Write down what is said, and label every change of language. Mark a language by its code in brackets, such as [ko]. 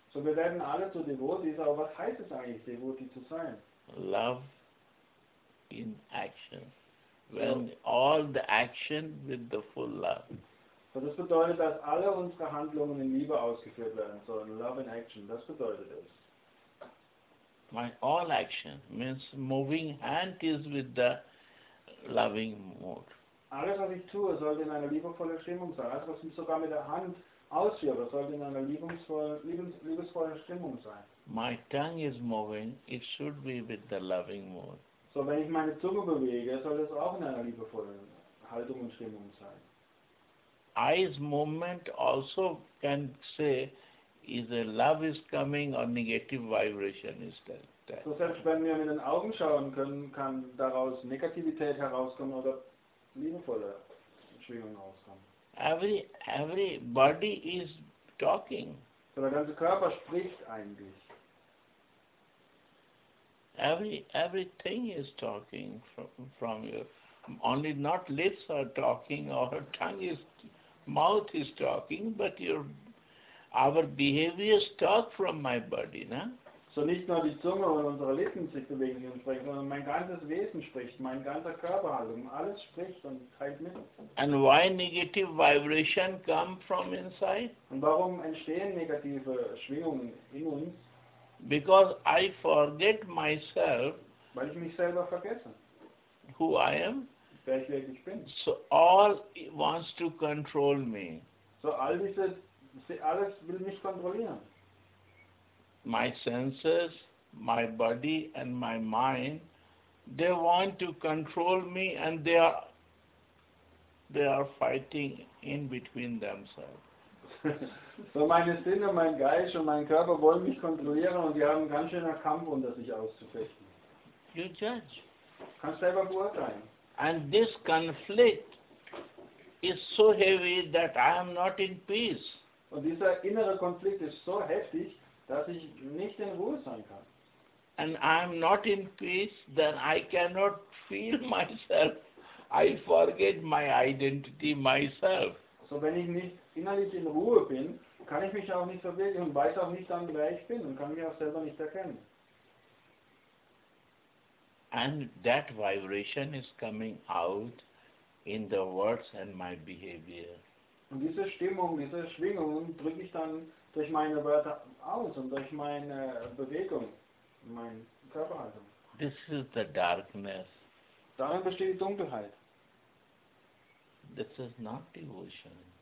[de] So wir werden alle zu Devotees, aber was heißt es eigentlich, Devotee zu sein? [en] Love in action. When all the action with the full love. [de] So das bedeutet, dass alle unsere Handlungen in Liebe ausgeführt werden sollen. [en] Love in action, [de] das bedeutet es. [en] My all action means moving hand is with the loving mood. [de] Alles, was ich tue, sollte in einer liebevollen Stimmung sein. Alles, was ich sogar mit der Hand ausführe, sollte in einer liebevollen Stimmung sein. [en] My tongue is moving, it should be with the loving mood. [de] So, wenn ich meine Zunge bewege, soll das auch in einer liebevollen Haltung und Stimmung sein. [en] Eyes movement also can say, is a love is coming or negative vibration is there. [de] So, selbst wenn wir mit den Augen schauen können, kann daraus Negativität herauskommen oder liebevolle Schwingung herauskommen. [en] Every body is talking. [de] So, der ganze Körper spricht eigentlich. [en] Everything is talking from you. Only not lips are talking or tongue is, mouth is talking, but our behaviors talk from my body, na? [de] So nicht nur die Zunge und unsere Lippen sich bewegen und sprechen, sondern mein ganzes Wesen spricht, mein ganzer Körperhaltung, alles spricht und teilt mit. [en] And why negative vibration come from inside? [de] Und warum entstehen negative Schwingungen in uns? [en] Because I forget myself. [de] Weil ich mich selber vergesse. [en] Who I am. [de] Wer ich wirklich bin. [en] So all wants to control me. [de] So alles will mich kontrollieren. [en] My senses, my body and my mind, they want to control me and they are fighting in between themselves. [de] So meine Sinne, mein Geist und mein Körper wollen mich kontrollieren und die haben ganz schön einen Kampf unter sich auszufechten. [en] You judge. [de] Kannst selber beurteilen. [en] And this conflict is so heavy that I am not in peace. [de] Und dieser innere Konflikt ist so heftig, dass ich nicht in Ruhe sein kann. [en] And I am not in peace, then I cannot feel myself. I forget my identity myself. [de] So wenn ich nicht innerlich in Ruhe bin, kann ich mich auch nicht verwirklichen und weiß auch nicht, wer ich bin und kann mich auch selber nicht erkennen. [en] And that vibration is coming out in the words and my behavior. [de] Und diese Stimmung, diese Schwingung drücke ich dann durch meine Wörter aus und durch meine Bewegung, meine Körperhaltung. [en] This is the darkness. [de] Darin besteht die Dunkelheit. [en] This is not devotion.